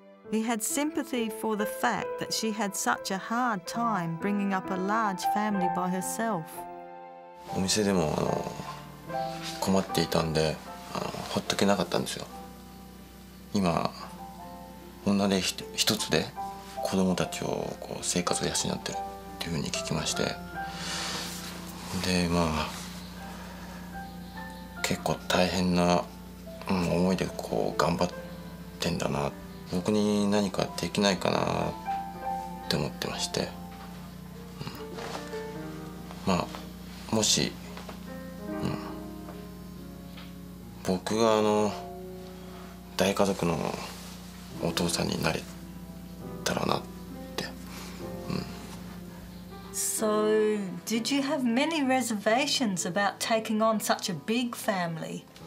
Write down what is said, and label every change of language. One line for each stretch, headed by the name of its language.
English: He had sympathy for the fact that she had such a hard time bringing up a large family by herself.
Japanese: お店でも困っていたんで、ほっとけなかったんですよ。今、女手一つで子供たちをこう生活を養ってるっていうふうに聞きまして、で、まあ、結構大変な、思いでこう頑張ってんだな、僕に何かできないかなって思ってまして、まあ、もし、僕が大家族のお父さんになれたらなって、
English: So, did you have many reservations about taking on such a big family?